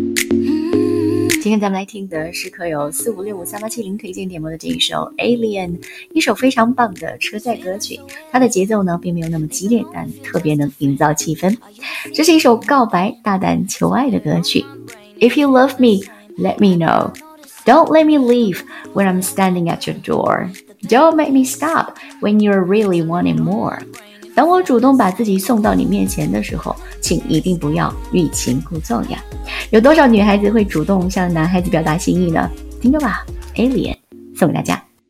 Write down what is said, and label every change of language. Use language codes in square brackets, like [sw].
[zh] 今天咱们来听的是刻有456538870推荐点播的这一首 Alien， 一首非常棒的车载歌曲。它的节奏呢并没有那么激烈，但特别能营造气氛。这是一首告白大胆求爱的歌曲。 [en] If you love me, let me know. Don't let me leave when I'm standing at your door. Don't make me stop when you're really wanting more. [zh] 当我主动把自己送到你面前的时候，请一定不要欲擒故纵呀。有多少女孩子会主动向男孩子表达心意呢？听着吧， Alien 送给大家。